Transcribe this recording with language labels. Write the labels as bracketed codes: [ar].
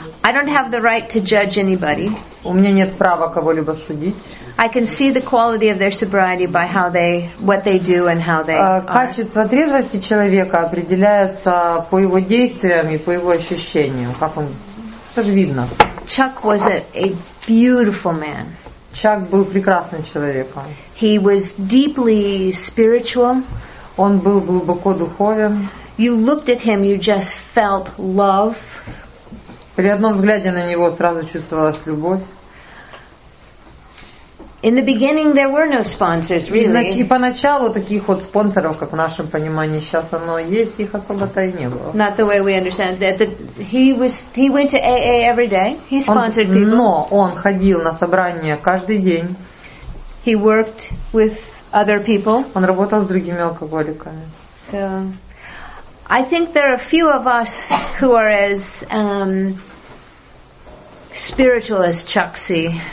[en] I don't have the right to judge anybody. [ru] У меня нет права кого-либо судить. [en] I can see the quality of their sobriety by how they, what they do, and how they. [ru] Качество трезвости человека определяется по его действиям и по его ощущениям. Как он, это же видно. [en] Chuck was a beautiful man. [ru] Чак был прекрасным человеком. [en] He was deeply spiritual. [ru] Он был глубоко духовен. [en] You looked at him, you just felt love. [ru] При одном взгляде на него сразу чувствовалась любовь. [en] In the beginning, there were no sponsors, really. [ru] И поначалу таких вот спонсоров, как в нашем понимании сейчас, оно есть, их особо-то и не было. [en] Not the way we understand that. He went to AA every day. He sponsored people. [ru] Но он ходил на собрания каждый день. [en] He worked with other people. [ru] Он работал с другими алкоголиками. [en] So, I think there are a few of us who are as spiritual as Chuck C.